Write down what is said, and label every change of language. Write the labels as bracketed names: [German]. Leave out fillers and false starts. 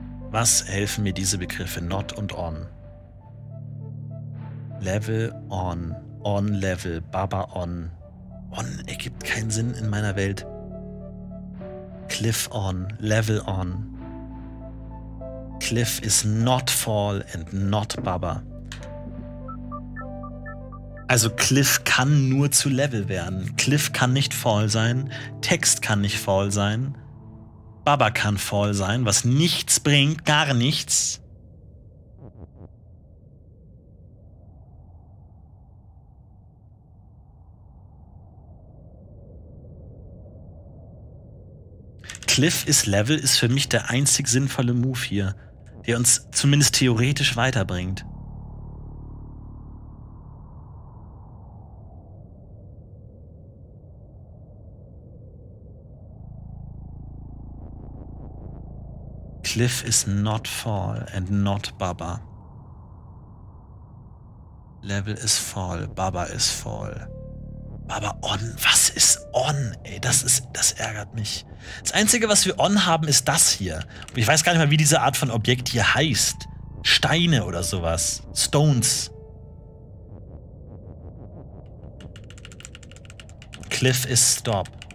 [German] Was helfen mir diese Begriffe not und on? [English] Level on, on level, Baba on. [German] On ergibt keinen Sinn in meiner Welt. [English] Cliff on, level on. Cliff is not fall and not Baba. [German] Also Cliff kann nur zu Level werden. Cliff kann nicht fall sein. Text kann nicht fall sein. Baba kann fall sein, was nichts bringt, gar nichts. [English] Cliff is level [German] ist für mich der einzig sinnvolle Move hier, der uns zumindest theoretisch weiterbringt. [English] Cliff is not fall and not Baba. Level is fall, Baba is fall. [German] Baba on, was ist on? Ey, das ärgert mich. Das Einzige, was wir on haben, ist das hier. Ich weiß gar nicht mal, wie diese Art von Objekt hier heißt. Steine oder sowas. Stones. [English] Cliff is stop.